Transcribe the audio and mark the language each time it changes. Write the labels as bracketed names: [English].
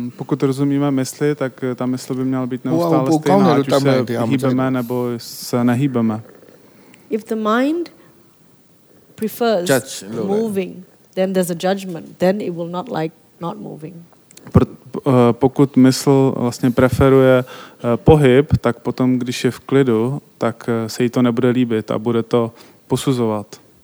[Czech] Pokud rozumíme mysli, tak ta mysl by měla být neustále stejná, ať už se hýbeme nebo se nehýbeme. [English] If the mind prefers moving, then there's a judgment. Then it will not like not moving. [Czech] Pokud mysl vlastně preferuje pohyb, tak potom, když je v klidu, tak se jí to nebude líbit a bude to posuzovat.